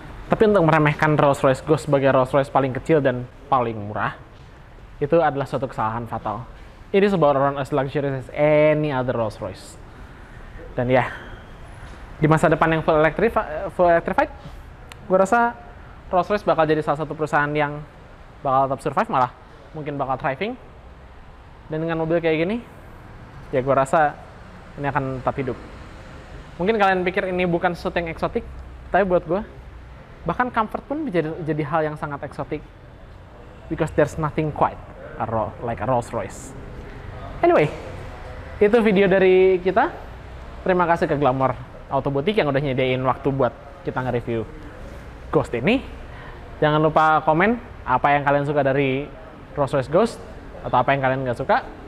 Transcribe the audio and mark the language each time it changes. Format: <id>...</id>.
<id>Tapi untuk meremehkan Rolls-Royce Ghost sebagai Rolls-Royce paling kecil dan paling murah, itu adalah suatu kesalahan fatal.</id> <en>It is about around as luxurious as any other Rolls-Royce.</en> <id>Dan yeah, di masa depan yang</id> <en>full electrified,</en> <id>gue rasa Rolls Royce bakal jadi salah satu perusahaan yang bakal tetap</id> <en>survive,</en> <id>malah mungkin bakal</id> <en>thriving.</en> <id>Dan dengan mobil kayak gini, ya gue rasa ini akan tetap hidup. Mungkin kalian pikir ini bukan sesuatu yang eksotik, tapi buat gue, bahkan</id> <en>comfort</en> <id>pun jadi hal yang sangat eksotik.</id> <en>Because there's nothing quite like a Rolls Royce.</en> <id>Anyway, itu video dari kita. Terima kasih ke Glamour Auto Boutique yang udah nyediain waktu buat kita nge-review Ghost ini. Jangan lupa komen apa yang kalian suka dari Rolls Royce Ghost atau apa yang kalian nggak suka.</id>